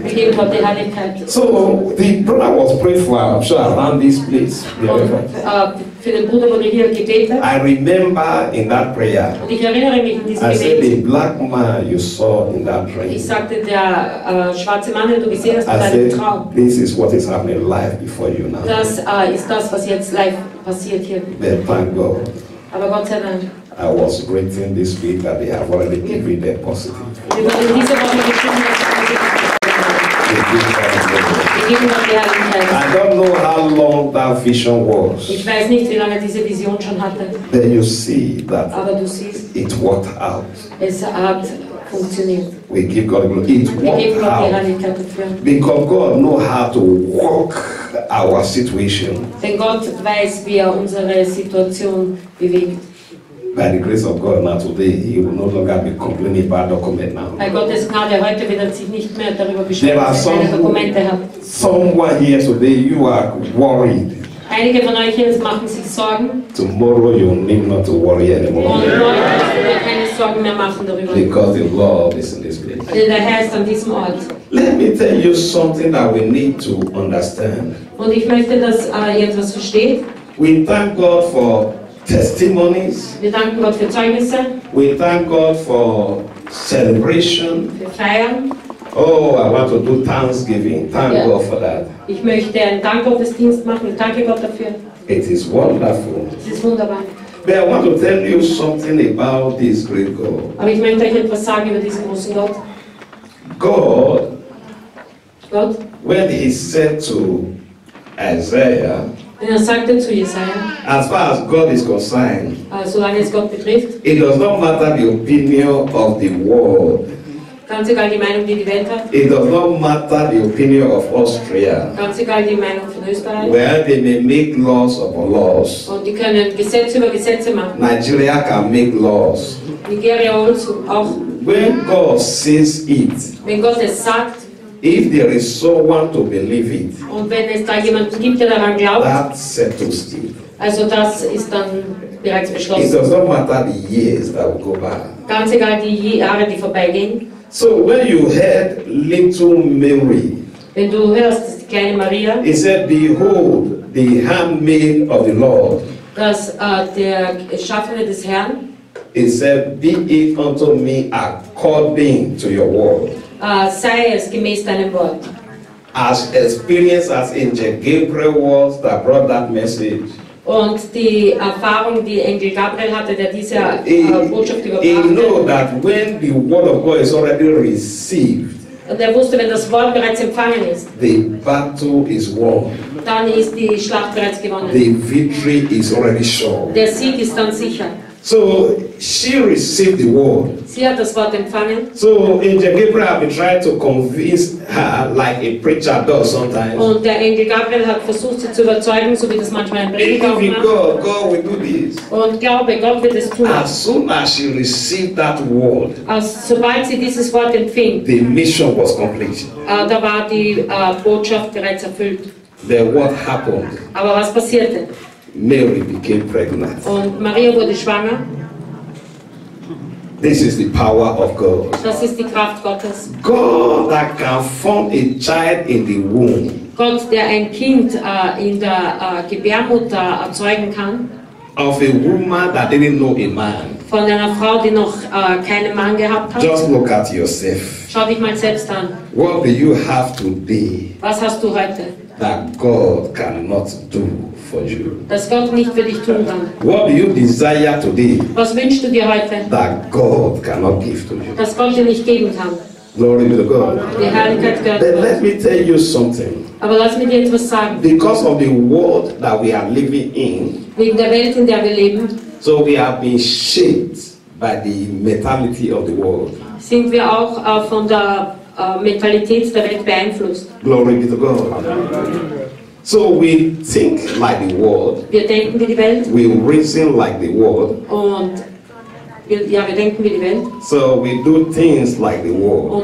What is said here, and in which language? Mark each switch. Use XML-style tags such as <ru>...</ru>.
<en>We give God the Herrlichkeit. So the brother was praying for, I'm sure, around this place. I remember in that prayer. I said the black man you saw in that dream.</en> <de>Ich sagte der schwarze Mann, den du gesehen hast in deinem Traum.</de> <en>This is what is happening live before you now.</en> <de>Das ist das, was jetzt live passiert hier.</de> <en>But thank God.</en> <de>Aber Gott sei Dank.</de> <en>I was greeting this week that they have already given their positive. I don't know how long that vision was. But you see that it worked out.</en> <de>Es hat</de> <en>We give God glory. It works out. Because God knows how to work our situation.</en> <de>Denn Gott weiß, wie er unsere Situation bewegt.</de> <en>By the grace of God, now today he will no longer be complaining about document now.</en> <de>Bei Gottes Gnade heute wird er sich nicht mehr darüber beschweren, dass er Dokumente hat.</de> <en>Someone here today, you are worried.</en> <de>Einige von euch hier machen sich Sorgen.</de> <en>Tomorrow you need not to worry anymore.</en> <de>Und heute wirst du keine Sorgen mehr machen darüber.</de> <en>Because the Lord is in this place.</en> <de>Denn der Herr ist an diesem Ort.</de> <en>Let me tell you something that we need to understand.</en> <de>Und ich möchte, dass ihr etwas versteht.</de> <en>We thank God for testimonies.</en> <de>Wir danken Gott für Zeugnisse.</de> <en>We thank God for celebration.</en> <de>Für Feiern.</de> <en>Oh, I want to do Thanksgiving. Thank God for that.</en> <de>Ich möchte einen Dankopfersdienst machen. Danke Gott dafür.</de> <en>It is wonderful.</en> <de>Es ist wunderbar.</de> <en>But I want to tell you something about this great God.</en> <de>Aber ich möchte euch etwas sagen über diesen großen Gott.</de> <en>God, when he said to Isaiah,</en> <de>wenn er sagte zu Jesaja,</de> <en>as far as God is concerned,</en> <de>solange es Gott betrifft,</de> <en>it does not matter the opinion of the world.</en> <de>Ganz egal die Meinung, die Welt hat.</de> <en>It does not matter the opinion of Austria.</en> <de>Ganz egal die Meinung von Österreich.</de> <en>Where they may make laws upon laws.</en> <de>Und die können Gesetze über Gesetze machen.</de> <en>Nigeria can make laws.</en> <de>Nigeria auch.</de> <en>When God says it,</en> <de>wenn Gott es sagt,</de> <en>if there is someone to believe it,</en> <de>und wenn es da jemanden gibt, der daran glaubt,</de> <en>that settles it.</en> <de>Also das ist dann bereits beschlossen.</de> <en>It does not matter the years that will go by.</en> <de>Ganz egal die Jahre, die vorbeigehen.</de> <en>So when you heard little Mary,</en> <de>wenn du hörst die kleine Maria,</de> <en>he said, behold, the handmaid of the Lord.</en> <de>Das der Schaffene des Herrn.</de> <en>He said, be it unto me according to your word.</en> <de>Sei es gemäß deinem Wort.</de> <en>As experienced as Angel Gabriel was that brought that message.</en> <de>Und die Erfahrung, die Engel Gabriel hatte, der diese Botschaft überbrachte.</de> <en>He knew that when the word of God is already received,</en> <de>und er wusste, wenn das Wort bereits empfangen ist,</de> <en>the battle is won.</en> <de>Dann ist die Schlacht bereits gewonnen.</de> <en>The victory is already sure.</en> <de>Der Sieg ist dann sicher.</de> <en>So she received the word.</en> <de>Sie hat das Wort empfangen.</de> <en>So Angel Gabriel had been trying to convince her like a preacher does sometimes.</en> <de>Und der Engel Gabriel hat versucht sie zu überzeugen, so wie das manchmal ein Prediger macht.</de> <en>God will do this.</en> <de>Und glaube, Gott wird es tun.</de> <en>As soon as she received that word,</en> <de>sobald sie dieses Wort empfing,</de> <en>the mission was complete.</en> <de>Da war die Botschaft bereits erfüllt.</de> <en>Then what happened?</en> <de>Aber was passierte?</de> <en>Mary became pregnant.</en> <de>Und Maria wurde schwanger.</de> <en>This is the power of God.</en> <de>Das ist die Kraft Gottes.</de> <en>God that can form a child in the womb.</en> <de>Gott, der ein Kind in der Gebärmutter erzeugen kann.</de> <en>Of a woman that didn't know a man.</en> <de>Von einer Frau, die noch keinen Mann gehabt hat.</de> <en>Just look at yourself.</en> <de>Schau dich mal selbst an.</de> <en>What do you have today?</en> <de>Was hast du heute?</de> <en>That God cannot do for you.</en> <de>Das Gott nicht für dich tun kann.</de> <en>What do you desire today?</en> <de>Was wünschst du dir heute?</de> <en>That God cannot give to you.</en> <de>Das Gott dir nicht geben kann.</de> <en>Glory to God.</en> <de>Die Herrlichkeit gehört.</de> <en>Then let me tell you something.</en> <de>Aber lass mich dir etwas sagen.</de> <en>Because of the world that we are living in.</en> <de>Wegen der Welt, in der wir leben.</de> <en>So we have been shaped by the mentality of the world.</en> <de>Sind wir auch von der Mentalität der Welt beeinflusst.</de> <en>Glory be to God. So we think like the world.</en> <de>Wir denken wie die Welt.</de> <en>We reason like the world.</en> <de>Und wir denken wie die Welt.</de> <en>So we do things like the world.</en>